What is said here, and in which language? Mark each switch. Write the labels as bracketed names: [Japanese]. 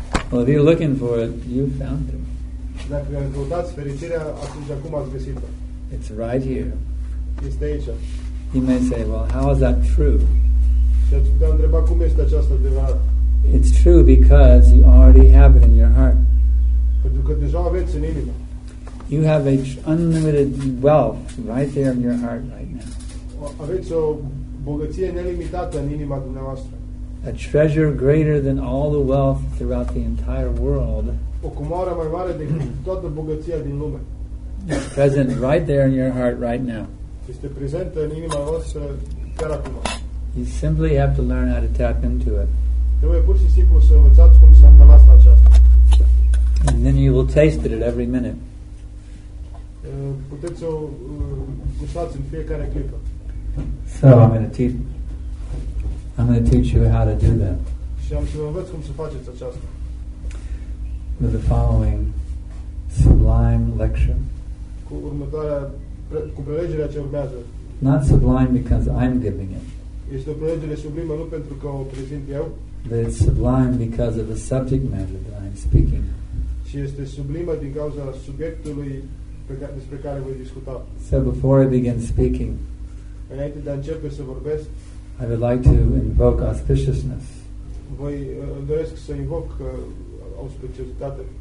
[English] Well, if you're looking for it, you found it. [Romanian] Dacă căutați fericirea, atunci acum ați găsit-o. [English] It's right here. [Romanian] Este aici. [English] You may say, well, how is that true? [Romanian] Și ați putea întreba cum este această adevărat. [English] It's true because you already have it in your heart. [Romanian] Pentru că deja aveți în inimă. [English] You have an unlimited wealth right there in your heart right now. [Romanian] Aveți o bogăție nelimitată în inima dumneavoastră. [English] A treasure greater than all the wealth throughout the entire world. [Romanian] O comoară mai mare decât toată bogăția din lume. [English] It's present right there in your heart right now. [Romanian] Este prezentă în inima voastră chiar acum. [English] You simply have to learn how to tap into it. [Romanian] Trebuie pur și simplu să învățați cum să apelați la aceasta. [English] And then you will taste it at every minute. [Romanian] Puteți să o gustați în fiecare clipă. [English] So I'm going to teach you how to do that. [Romanian] Și am să vă învăț cum să faceți aceasta. [English] With the following sublime lecture. [Romanian] Cu următoarea, cu prelegerea ce urmează. [English] Not sublime because I'm giving it. [Romanian] Este o prelegere sublimă nu pentru că o prezint eu. [English] But it's sublime because of the subject matter that I'm speaking. [Romanian] Și este sublimă din cauza subiectului despre care voi discuta. [English] So before I begin speaking, [Romanian] înainte de a începe să vorbesc, [English] I would like to invoke auspiciousness. [Romanian] Voi doresc să invoc auspiciozitate.